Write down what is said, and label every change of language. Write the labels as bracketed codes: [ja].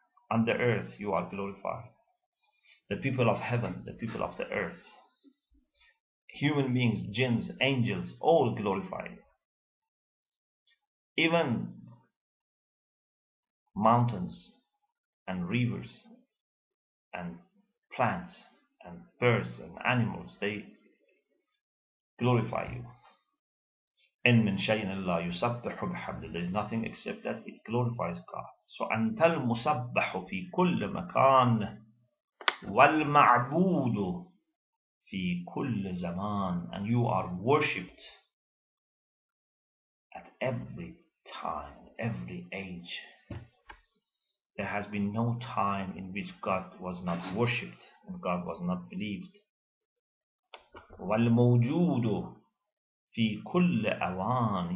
[en] On the earth, you are glorified. The people of heaven, the people of the earth, human beings, jinns, angels, all glorified. Even mountains and rivers and plants and birds and animals, they glorify you. [ar] إن من شيء الله يسبح بحمده. [en] There is nothing except that it glorifies God. [ar] So أنت المسبح في كل مكان والمعبود في كل زمان. [en] And you are worshipped at every time, every age. There has been no time in which God was not worshipped and God was not believed. [ar] والموجود في كل أوان.